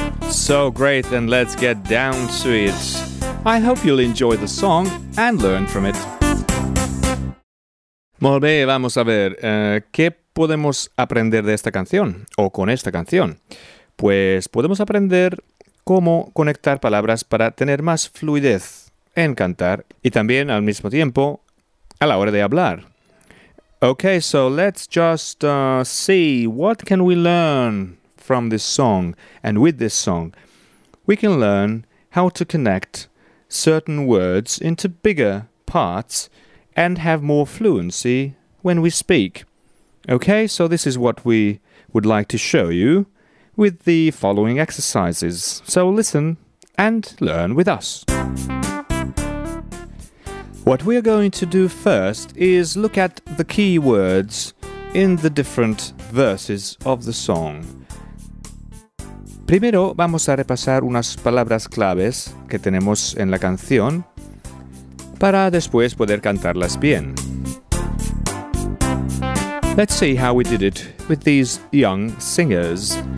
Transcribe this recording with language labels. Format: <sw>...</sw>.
<en>So great, and let's get down to it. I hope you'll enjoy the song and learn from it.</en> <ca>Molt bé,</ca> <es>vamos a ver, ¿qué podemos aprender de esta canción o con esta canción? Pues podemos aprender cómo conectar palabras para tener más fluidez en cantar y también al mismo tiempo a la hora de hablar.</es> <en>Okay, so let's just see what can we learn from this song and with this song. We can learn how to connect certain words into bigger parts and have more fluency when we speak. Okay, so this is what we would like to show you with the following exercises. So listen and learn with us. What we are going to do first is look at the key words in the different verses of the song.</en> <es>Primero vamos a repasar unas palabras claves que tenemos en la canción para después poder cantarlas bien.</es> <en>Let's see how we did it with these young singers.</en>